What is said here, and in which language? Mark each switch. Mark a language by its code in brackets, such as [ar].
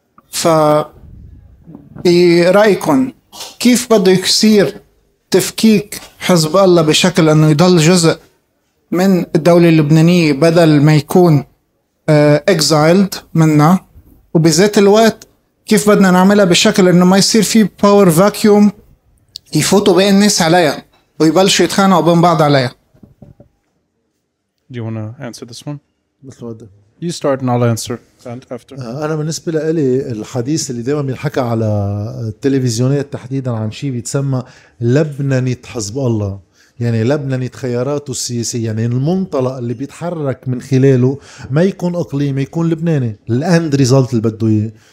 [ar] ف برأيكم كيف بده يصير تفكيك حزب الله بشكل أنه يضل جزء من الدولة اللبنانية بدل ما يكون [en] exiled [ar] منها، وبذات الوقت كيف بدنا نعملها بشكل أنه ما يصير فيه [en] power vacuum [ar] يفوتوا بين الناس عليها ويبلشوا يتخانقوا بين بعض عليها؟ [en] Do you want to answer this one? [ar] مثل ودي. [en] You start and I'll answer. And after. [ar] أنا بالنسبة لي الحديث اللي دائما بينحكى على التلفزيونات تحديدا عن شيء بيتسمى لبنانية حزب الله، يعني لبنانية خياراته السياسية، يعني المنطلق اللي بيتحرك من خلاله ما يكون إقليمي، يكون لبناني الأند ريزلت اللي بده إياه.